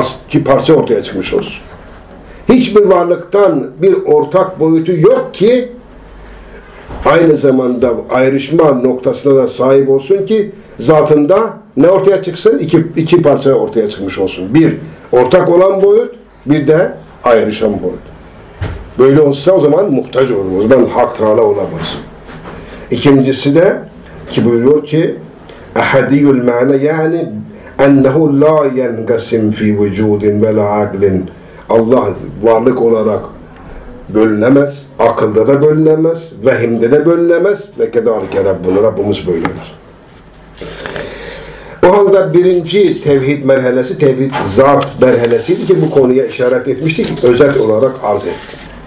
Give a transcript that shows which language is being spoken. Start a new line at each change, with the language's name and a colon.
Turkish: Ki parça ortaya çıkmış olsun. Hiçbir varlıktan bir ortak boyutu yok ki aynı zamanda ayrışma noktasına da sahip olsun ki zatında ne ortaya çıksın? İki parça ortaya çıkmış olsun. Bir ortak olan boyut, bir de ayrışan boyut. Böyle olsa o zaman muhtaç olur. O zaman Hak Teala olamaz. İkincisi de ki buyuruyor ki
Arabic: اَحَدِيُّ الْمَعْنَى يَعْنِ اَنَّهُ لَا يَنْقَسِمْ فِي وَجُودٍ وَلَا عَقْلٍ.
Turkish: Allah varlık olarak bölünemez, akılda da bölünemez, vehimde de bölünemez ve kedalike Rabbuna, Rabbimiz böyledir. O halde birinci tevhid merhalesi, tevhid zat merhalesiydi ki bu konuya işaret etmiştik, özet olarak arz ettim.